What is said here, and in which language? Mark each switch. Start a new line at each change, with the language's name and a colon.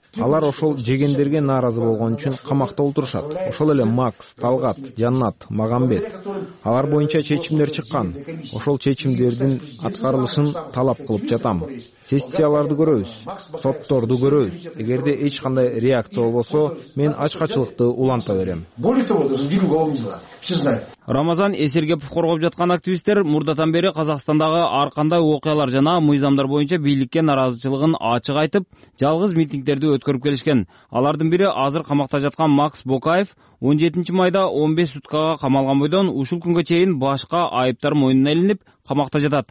Kyrgyz: Алар ошол жегендерге нааразы болгон үчүн камакта отурушат. Ошол эле Макс, Талгат, Жаннат, Магамбет. Алар боюнча чечимдер чыккан. Ошол чечимдердин аткарылышын талап кылып жатам. Сессияларды көрөбүз, сотторду көрөбүз. Эгерде эч кандай реакция болбосо, мен ачкачылыкты уланта берем.
Russian: Более того, другие уголовные дела.
Kyrgyz: Рамазан Эсергепов коргоп жаткан активисттер мурдатан бери Казакстандагы ар кандай окуялар жана мыйзамдар боюнча бийликке нааразычылыгын ачык айтып, жалгыз митингдерди өткөрүп келишкен. Алардын бири азыр камакта жаткан Макс Бокаев 17 майда 15 суткага камалган бойдон ушул күнгө чейин башка айыптар мойнуна илинип камакта жатат.